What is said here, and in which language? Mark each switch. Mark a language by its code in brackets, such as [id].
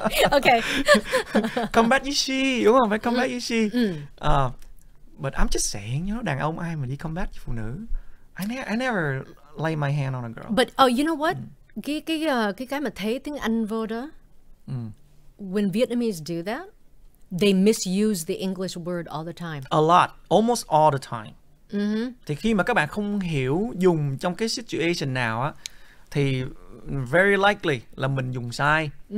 [en] Okay. Come back with she, [vi] đúng không? [en] Phải come back with she. But I'm just saying, you know, [vi] đàn ông ai mà đi [en] come back với phụ nữ. I never lay my hand on a girl. But you know what? [vi] Cái mà thấy tiếng Anh vô đó. [en] When Vietnamese do that, they misuse the English word all the time. A lot, almost all the time. [vi] Thì khi mà các bạn không hiểu dùng trong cái situation nào á, thì [en] very likely [vi] là mình dùng sai.